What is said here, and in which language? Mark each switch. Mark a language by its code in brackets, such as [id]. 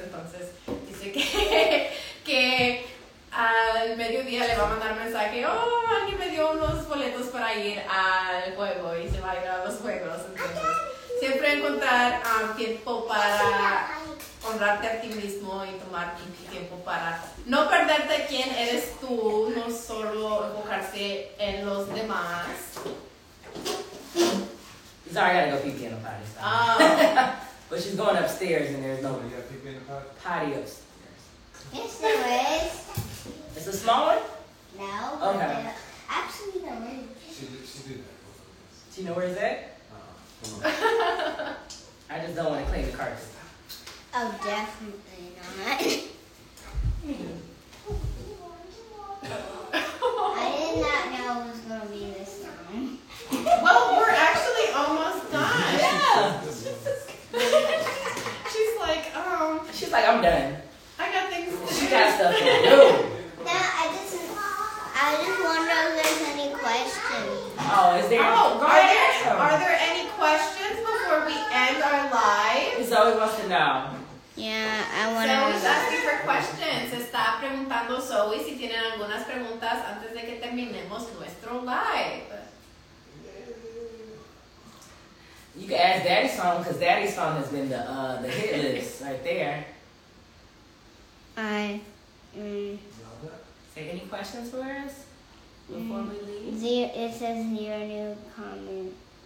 [es] Entonces dice que al mediodía le va a mandar mensaje, oh, alguien me dio unos boletos para ir al juego y se va a ir a los juegos. Entonces siempre encontrar tiempo para honrarte a ti mismo y tomar tiempo para no perderte quién eres tú, no solo enfocarse en los demás. [en] Sorry, I gotta go pee in the potty. But she's going upstairs and there's nobody. You gotta pee in the potty? Patio. Yes, there is. It's a small one? No. Okay. Actually, no. She did that. Do you know where it's at? I just don't want to clean the carpet. Oh, definitely not. I did not know it was going to be this long. Well, we're actually almost done. Yeah. She's like, I'm done. I got things to do. She got stuff to do. No, I just wonder if there's any questions. Oh, is there? Oh, guys, are there any questions before we end our live? Zoe wants to know. Yeah, I want to. Zoe's asking for questions. [es] Está preguntando Zoe si tienen algunas preguntas antes de que terminemos nuestro live. [en] You can ask Daddy's song, because Daddy's song has been the hit list right there. Say any questions for us before we leave? It says zero new comments.